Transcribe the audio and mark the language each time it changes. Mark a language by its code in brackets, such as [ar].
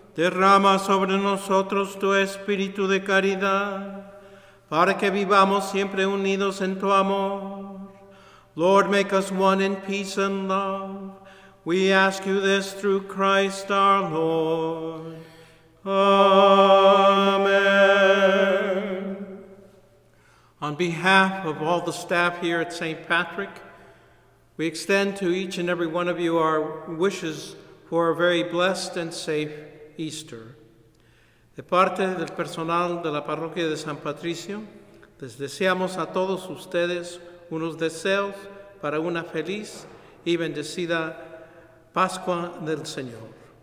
[es] Derrama sobre nosotros tu espíritu de caridad, para que vivamos siempre unidos en tu amor. [en] Lord, make us one in peace and love. We ask you this through Christ our Lord. Amen. On behalf of all the staff here at St. Patrick, we extend to each and every one of you our wishes for a very blessed and safe Easter. [es] De parte del personal de la parroquia de San Patricio, les deseamos a todos ustedes unos deseos para una feliz y bendecida Pascua del Señor.